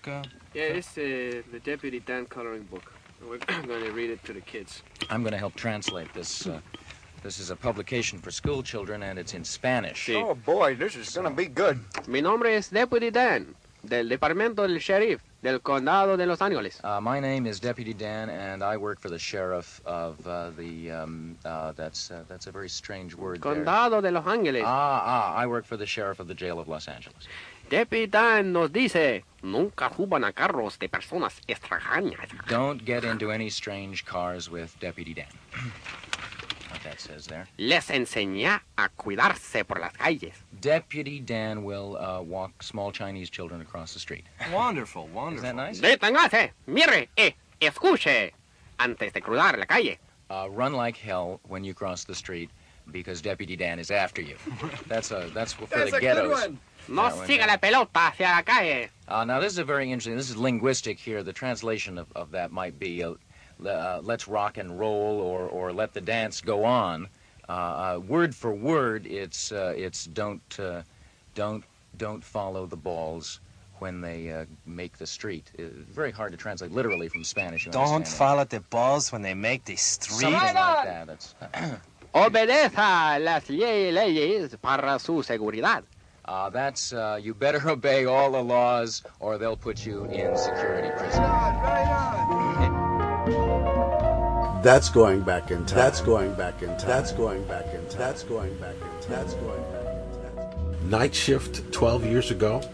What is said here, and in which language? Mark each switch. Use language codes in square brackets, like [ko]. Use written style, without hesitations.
[en] Yeah, it's the Deputy Dan coloring book. We're going to read it to the kids. I'm going to help translate this. This is a publication for school children, and it's in Spanish. [es] Sí. [en] Oh, boy, this is going to be good. [es] Mi nombre es Deputy Dan, del Departamento del Sheriff, del Condado de Los Ángeles. [en] My name is Deputy Dan, and I work for the Sheriff of that's a very strange word. [es] Condado [en] there. [es] De Los Ángeles. [en] I work for the Sheriff of the Jail of Los Angeles. [es] Deputy Dan nos dice, nunca suban a carros de personas extrañas. [en] Don't get into any strange cars with Deputy Dan. What that says there. [es] Les enseña a cuidarse por las calles. [en] Deputy Dan will walk small Chinese children across the street. Wonderful, wonderful. Is that nice? [es] Deténgase, mire, escuche, antes de cruzar la calle. [en] Run like hell when you cross the street, because Deputy Dan is after you. That's for that's the a ghettos. Good one. [es] No siga la pelota hacia la calle. [en] Now, this is a very interesting. This is linguistic here. The translation of that might be let's rock and roll or let the dance go on. Word for word, it's don't follow the balls when they make the street. It's very hard to translate literally from Spanish. Don't follow the balls when they make the street. Something like that. It's, [es] obedeza las leyes para su seguridad. [en] You better obey all the laws or they'll put you in security prison. That's going back in time. That's going back in time. That's going back in time. That's going back in time. That's going back in time. Night Shift 12 years ago.